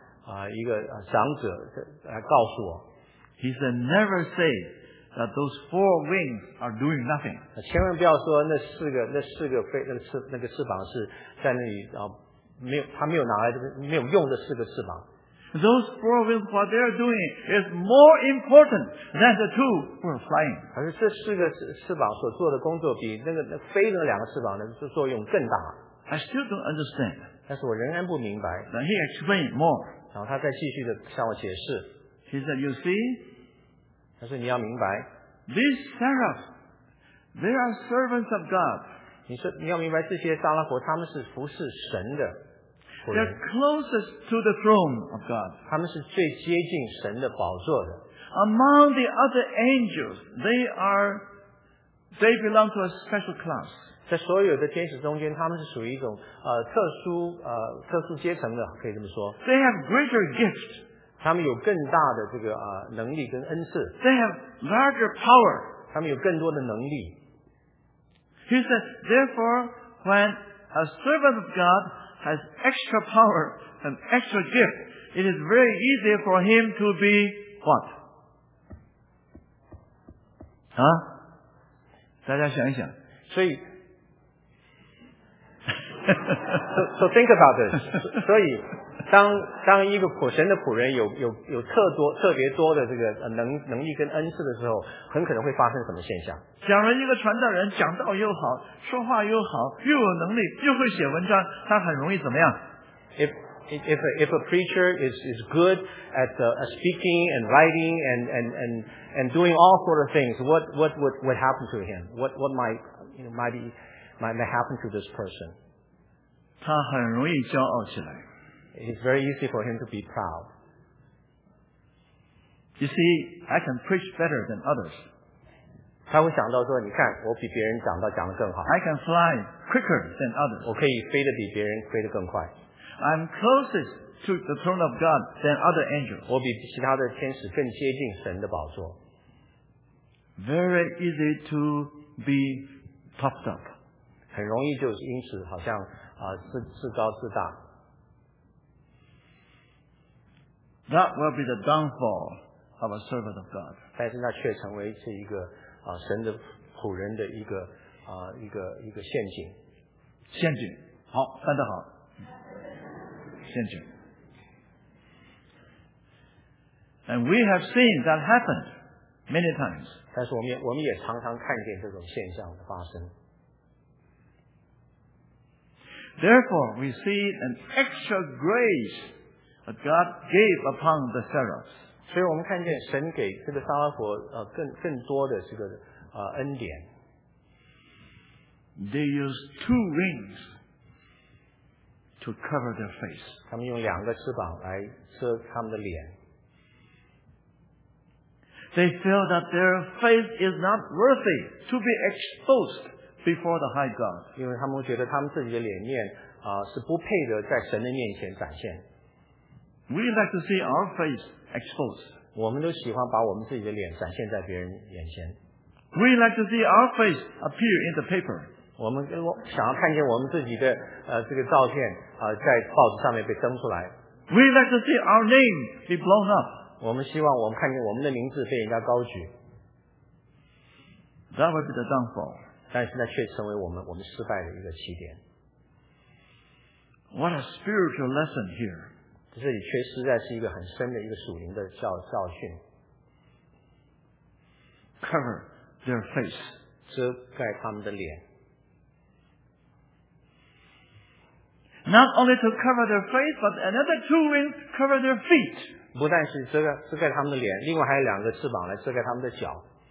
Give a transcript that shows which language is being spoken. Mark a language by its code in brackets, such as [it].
[zh] 他经过另外一个长老，一个长者来告诉我。 [en] He said, never say that those four wings are doing nothing. [zh] 千万不要说那四个翅膀是在那里没有拿来没有用的四个翅膀。 [en] Those four wings, what they are doing is more important than the two who are flying. [zh] 而是这四个翅膀所做的工作比那个飞的两个翅膀的作用更大。 [en] I still don't understand. [zh] 但是我仍然不明白。 [en] Then he explained more. [zh] 然后他再继续的向我解释。 [en] He said, you see, [zh] 他说你要明白, [en] these seraphs, they are servants of God. [zh] 你要明白这些沙拉伯他们是服侍神的。 [en] They're closest to the throne of God. [zh] 他们是最接近神的宝座的。 [en] Among the other angels, they belong to a special class. [zh] 在所有的天使中间，他们是属于一种特殊阶层的，可以这么说。 [en] They have greater gifts. [zh] 他们有更大的这个能力跟恩赐。 [en] They have larger power. [zh] 他们有更多的能力。 [en] He says, therefore, when a servant of God has extra power and extra gift, it is very easy for him to be what? [zh] Huh? 大家想一想。所以 [en] so think about this. [zh] 所以当一个仆神的仆人有特别多的这个能力跟恩赐的时候，很可能会发生什么现象？讲了一个传道人，讲道又好，说话又好，又有能力，又会写文章，他很容易怎么样？ [en] If a preacher is good at speaking and writing and doing all sort of things, what happen to him? What might happen to this person? [zh] 他很容易骄傲起来。 [en] It's very easy for him to be proud. You see, I can preach better than others. [zh] 他会想到说，你看，我比别人讲得更好。 [en] I can fly quicker than others. [zh] 我可以飞得比别人飞得更快。 [en] I'm closest to the throne of God than other angels. [zh] 我比其他的天使更接近神的宝座。 [en] Very easy to be puffed up. [zh] 很容易就因此好像自高自大。 [en] That will be the downfall of a servant of God. [zh] 但是那却成为是一个神的仆人的一个一个陷阱。陷阱，好，翻得好。陷阱。 [en] And we have seen that happened many times. [zh] 但是我们也常常看见这种现象的发生。 [en] Therefore, we see an extra grace. But God gave upon the seraphs. [zh] 所以我们看见神给这个撒拉佛更多的这个恩典。 [en] They used two wings to cover their face. [zh] 他们用两个翅膀来遮他们的脸。 [en] They feel that their face is not worthy to be exposed before the high God. [zh] 因为他们觉得他们自己的脸面是不配的在神的面前展现。 [en] We like to see our face exposed. [zh] 我们都喜欢把我们自己的脸展现在别人眼前。 [en] We like to see our face appear in the paper. [zh] 我们想要看见我们自己的这个照片在报纸上面被登出来。 [en] We like to see our name be blown up. [zh] 我们希望我们看见我们的名字被人家高举。 [en] That would be the downfall. [zh] 但是那却成为我们失败的一个起点。 [en] What a spiritual lesson here. [zh] 这里却实在是一个很深的一个属灵的教训。 [en] Cover their face， [zh] 遮盖他们的脸。 [en] Not only to cover their face, but another two wings cover their feet。 [zh] 不但是遮盖他们的脸，另外还有两个翅膀来遮盖他们的脚。